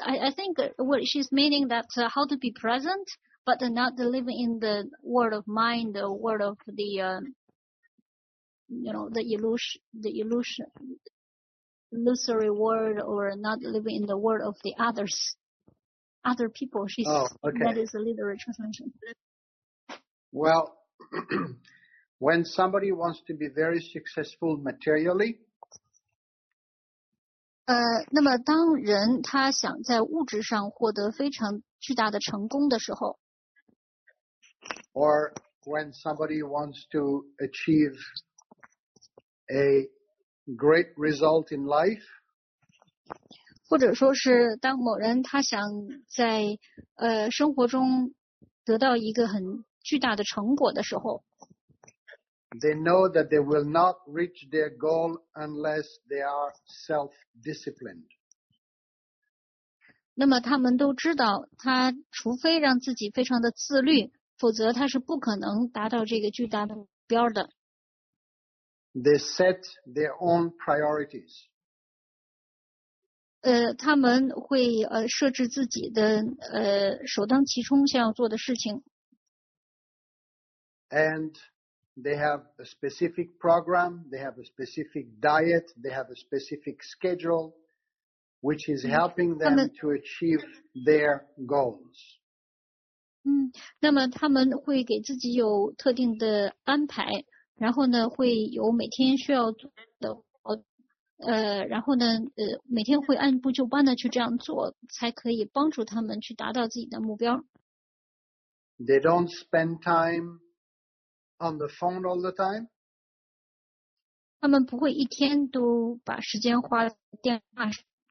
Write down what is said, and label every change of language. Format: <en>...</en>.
<en>I think what she's meaning that how to be present, but not live in the world of mind, the world of the, illusory world, or not living in the world of the others. Other people, that is a literary translation. Well, when somebody wants to be very successful materially,</en> <zh>那么当人他想在物质上获得非常巨大的成功的时候</zh> <en>，or when somebody wants to achieve a great result in life.</en> <zh>或者说是当某人他想在生活中得到一个很巨大的成果的时候</zh> <en>，They know that they will not reach their goal unless they are self-disciplined.</en> <zh>那么他们都知道，他除非让自己非常的自律，否则他是不可能达到这个巨大的目标的。</zh> <en>They set their own priorities.</en> <zh>他们会设置自己的首当其冲想要做的事情。</zh> <en>And they have a specific program, they have a specific diet, they have a specific schedule, which is helping them to achieve their goals.</en> <zh>那么他们会给自己有特定的安排，然后呢会有每天需要做的。然后呢每天会按部就班的去这样做才可以帮助他们去达到自己的目标。</zh> <en>They don't spend time on the phone all the time?</en> <zh>他们不会一天都把时间花在电话上。</zh>